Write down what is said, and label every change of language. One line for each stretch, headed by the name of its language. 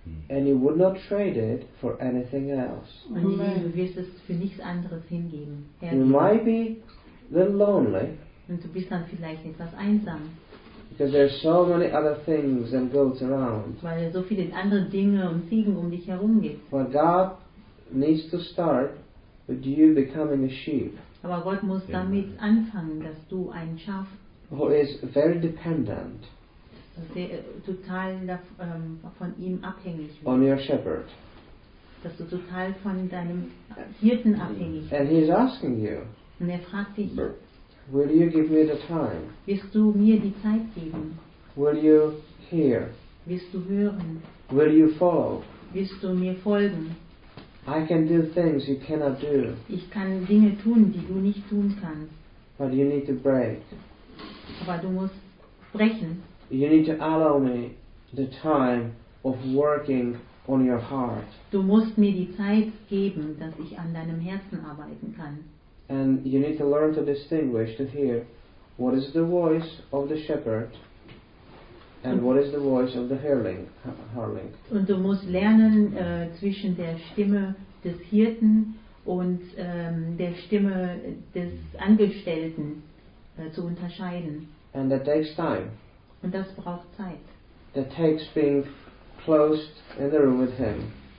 English: And you would not trade it for anything else.
German: Und du wirst es für nichts anderes hingeben.
English: Herr, you might be a little lonely.
German: Und du bist dann vielleicht etwas einsam.
English: Because there are so many other things and goats around.
German: Weil es so viele andere Dinge und Ziegen um dich herum gibt.
English: But God needs to start with you becoming a sheep.
German: Aber Gott muss damit anfangen, dass du ein Schaf.
English: Who is very dependent.
German: Dass er total von ihm abhängig wird.
English: On your shepherd.
German: Dass du total von deinem Hirten abhängig bist.
English: And he's asking you.
German: Und er fragt dich.
English: Will you give me the time?
German: Wirst du mir die Zeit geben?
English: Will you hear?
German: Wirst du hören?
English: Will you follow?
German: Wirst du mir folgen?
English: I can do things you cannot do.
German: Ich kann Dinge tun, die du nicht tun kannst.
English: But you need to break.
German: Aber du musst brechen.
English: You need to allow me the time of working on your heart.
German: Du musst mir die Zeit geben, dass ich an deinem Herzen arbeiten kann.
English: And you need to learn to distinguish, to hear what is the voice of the shepherd and what is the voice of the hireling.
German: Und du musst lernen, zwischen der Stimme des Hirten und der Stimme des Angestellten zu unterscheiden.
English: And that takes time.
German: Und das braucht Zeit.
English: That takes being close in the room with him.